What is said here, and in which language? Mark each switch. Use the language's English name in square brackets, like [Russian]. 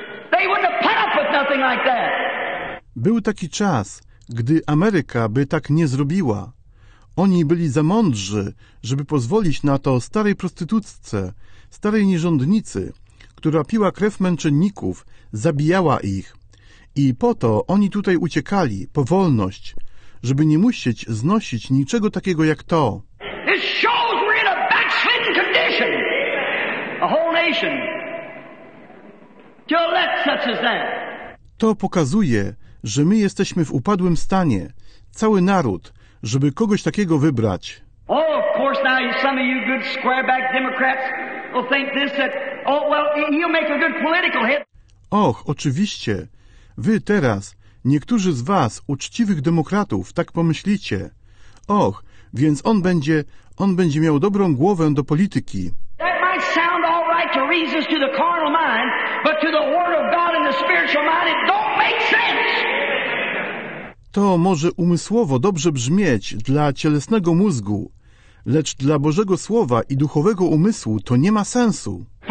[English] They wouldn't have put up with nothing like that. [Polish] Był taki czas, gdy Ameryka by tak nie zrobiła. Oni byli za mądrzy, żeby pozwolić na to starej prostytutce, starej nierządnicy, która piła krew męczenników, zabijała ich. I po to oni tutaj uciekali, po wolność, żeby nie musieć znosić niczego takiego jak to. [English] This shows we're in a backslidden condition. A whole nation. To let such as that. [Polish] To pokazuje, że my jesteśmy w upadłym stanie, cały naród, żeby kogoś takiego wybrać. [English] Oh, of course, now some of you good square-back Democrats will think this, that, oh, well, he'll make a good political hit. [Polish] Och, oczywiście. Wy teraz, niektórzy z was, uczciwych demokratów, tak pomyślicie. Och, więc on będzie miał dobrą głowę do polityki. [English] That might sound all right to reasons to the carnal mind, but to the word of God and the spiritual mind, it don't make sense. [Polish] To może umysłowo dobrze brzmieć dla cielesnego mózgu, lecz dla Bożego Słowa i duchowego umysłu to nie ma sensu.